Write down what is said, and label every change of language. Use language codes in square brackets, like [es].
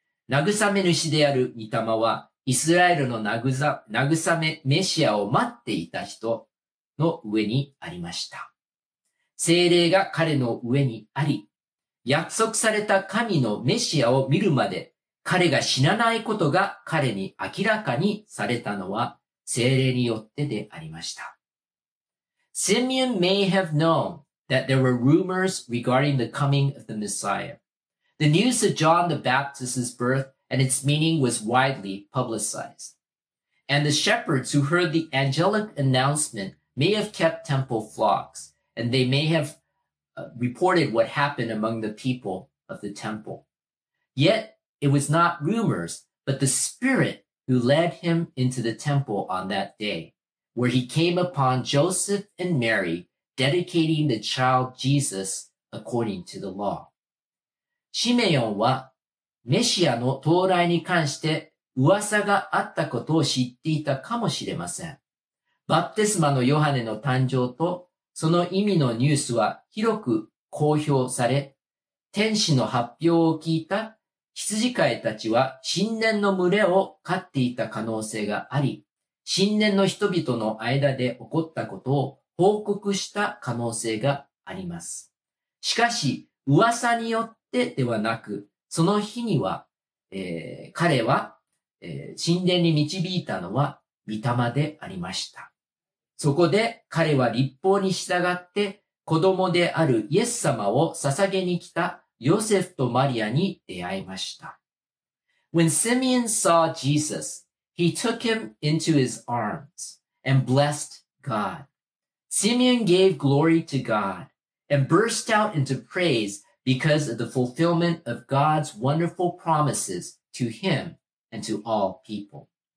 [ja] 慰め主である御霊はイスラエルの慰めメシアを待っていた人の上にありました。聖霊が彼の上にあり、約束された神のメシアを見るまで彼が死なないことが彼に明らかにされたのは聖霊によってでありました。 [en] Simeon may have known that there were rumors regarding the coming of the Messiah. The news of John the Baptist's birth and its meaning was widely publicized. And the shepherds who heard the angelic announcement may have kept temple flocks, and they may have reported what happened among the people of the temple. Yet, it was not rumors, but the Spirit who led him into the temple on that day, where he came upon Joseph and Mary, dedicating the child Jesus according to the law. [ja] シメヨンはメシアの到来に関して噂があったことを知っていたかもしれません。バプテスマのヨハネの誕生とその意味のニュースは広く公表され、天使の発表を聞いた羊飼いたちは神殿の群れを飼っていた可能性があり、新年の人々の間で起こったことを報告した可能性があります。しかし、噂によってではなく、その日には、彼は、神殿に導いたのは御霊でありました。そこで彼は律法に従って子供であるイエス様を捧げに来たヨセフとマリアに出会いました。 [en] When Simeon saw Jesus, he took him into his arms and blessed God. Simeon gave glory to God and burst out into praise because of the fulfillment of God's wonderful promises to him and to all people.